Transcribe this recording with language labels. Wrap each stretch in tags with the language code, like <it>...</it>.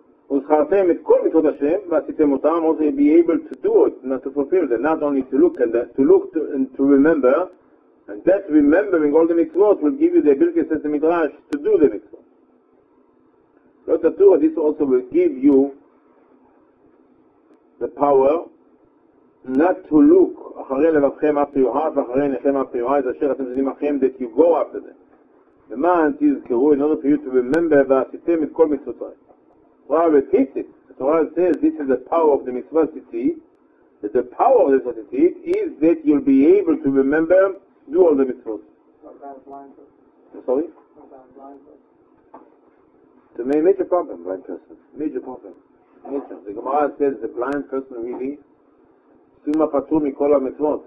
<he>וזכרתם את כל מצוות השם, ועשיתם אותם,</he> <en>also be able to do it, not to fulfill them, not only to look at that, to look to, and to remember, and that remembering all the mitzvot will give you the ability, says the Midrash, to do the mitzvot. Look at Torah, this also will give you the power not to look</en> <he>אחרי לבבכם</he> <en>after your heart,</en> <he>ואחרי עיניכם</he> <en>after your eyes,</en> <he>אשר אתם זדים אחרים,</he> <en>that you go after them.</en> <he>למען תזכרו,</he> <en>in order for you to remember,</en> <he>ועשיתם את כל מצוות השם.</he> <en>Torah repeats it. The Torah says this is the power of the mitzvah tzitzit, that the power of the mitzvah tzitzit is that you'll be able to remember, do all the mitzvot. Sometimes blindfold. Sorry? Sometimes blindfold. It's a major problem. The Gemara says the blind person really,</en> <he>Suma Patur Mikola Mitzvot.</he>